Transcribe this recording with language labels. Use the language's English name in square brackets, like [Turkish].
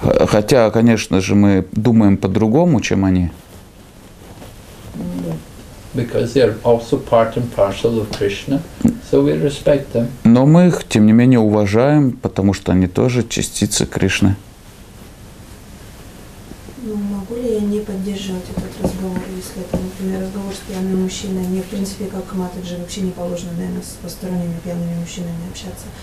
[Russian] Хотя, конечно же, мы думаем по-другому, чем они. [English] Because they are also part and parcel of Krishna, so we respect them. [Russian] Но мы их, тем не менее, уважаем, потому что они тоже частицы Кришны. Ну, могу ли я не поддерживать этот разговор, если это, например, разговор с пьяными мужчинами? Мне, в принципе, как матаджи, вообще не положено, наверное, с посторонними пьяными мужчинами общаться.